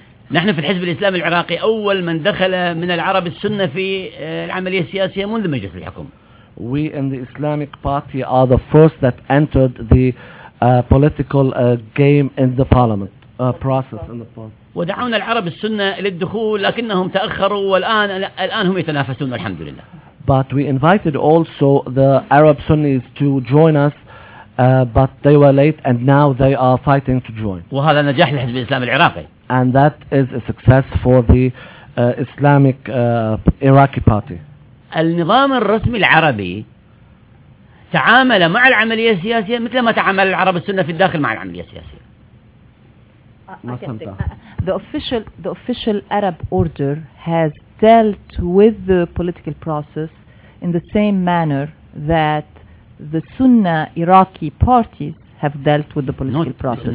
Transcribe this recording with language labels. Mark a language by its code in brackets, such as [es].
[ar] نحن في الحزب الإسلامي العراقي أول من دخل من العرب السنة في العملية السياسية منذ مجلس الحكم. [en] We in the Islamic Party are the first that entered the political game in the parliament process in the parliament. [ar] ودعونا العرب السنة للدخول لكنهم تأخروا والآن هم يتنافسون والحمد لله. [en] But we invited also the Arab Sunnis to join us, but they were late and now they are fighting to join. [ar] وهذا نجاح للحزب الإسلامي العراقي. [en] And that is a success for the Islamic Iraqi party. [ar] النظام الرسمي العربي تعامل مع العملية السياسية مثل ما تعامل العرب السنة في الداخل مع العملية السياسية. [en] The official Arab order has dealt with the political process in the same manner that the Sunna Iraqi parties have dealt with the political process.